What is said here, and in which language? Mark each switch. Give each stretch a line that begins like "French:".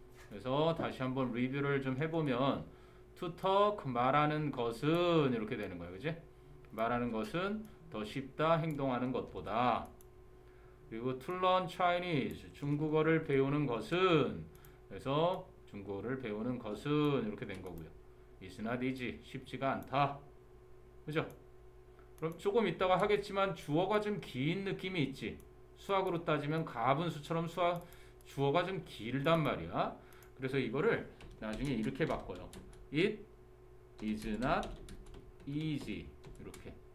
Korean: 그래서 다시 한번 리뷰를 좀 해보면, to talk, 말하는 것은, 이렇게 되는 거예요. 그지? 말하는 것은 더 쉽다, 행동하는 것보다. 그리고 to learn Chinese, 중국어를 배우는 것은, 그래서 중국어를 배우는 것은, 이렇게 된 거고요.
English: is not easy, 쉽지가 않다.
Korean: 그죠? 그럼 조금 이따가 하겠지만, 주어가 좀긴 느낌이 있지. 수학으로 따지면 가분수처럼 수학, 주어가 좀 길단 말이야. 그래서 이거를 나중에 이렇게 바꿔요.
English: It is not easy. 이렇게.